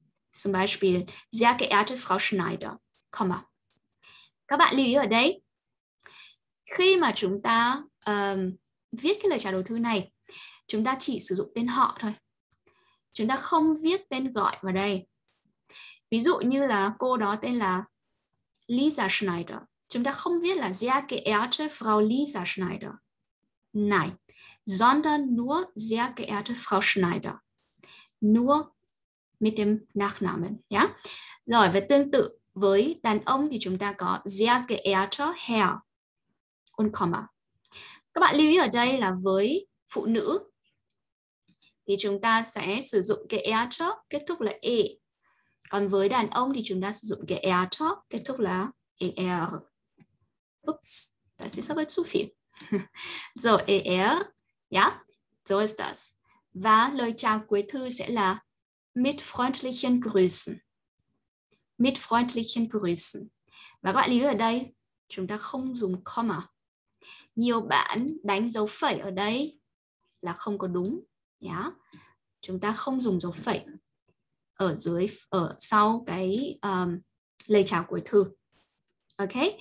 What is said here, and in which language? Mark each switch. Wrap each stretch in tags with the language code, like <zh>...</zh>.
<de>Zum Beispiel sehr geehrte Frau Schneider, comma.</de> <vi>Các bạn lưu ý ở đây, khi mà chúng ta viết cái lời chào đầu thư này, chúng ta chỉ sử dụng tên họ thôi. Chúng ta không viết tên gọi vào đây. Ví dụ như là cô đó tên là Lisa Schneider, chúng ta không viết là</vi> <de>sehr geehrte Frau Lisa Schneider. Nein, sondern nur sehr geehrte Frau Schneider. Nur mit dem Nachnamen, ja?</de> <vi>Rồi, và tương tự với đàn ông thì chúng ta có</vi> <de>sehr geehrte Herr und comma.</de> <vi>Các bạn lưu ý ở đây là với phụ nữ thì chúng ta sẽ sử dụng geehrte kết thúc là e. Còn với đàn ông thì chúng ta sử dụng geehrte kết thúc là er.</vi> <de>Oops, das ist aber zu viel. So, er, ja, so ist das.</de> <vi>Và lời chào cuối thư sẽ là</vi> <de>mit freundlichen Grüßen. Mit freundlichen Grüßen.</de> <vi>Và các bạn lưu ý ở đây, chúng ta không dùng comma. Nhiều bạn đánh dấu phẩy ở đây là không có đúng nhá. Chúng ta không dùng dấu phẩy ở dưới, ở sau cái lời chào cuối thư. Ok.</vi>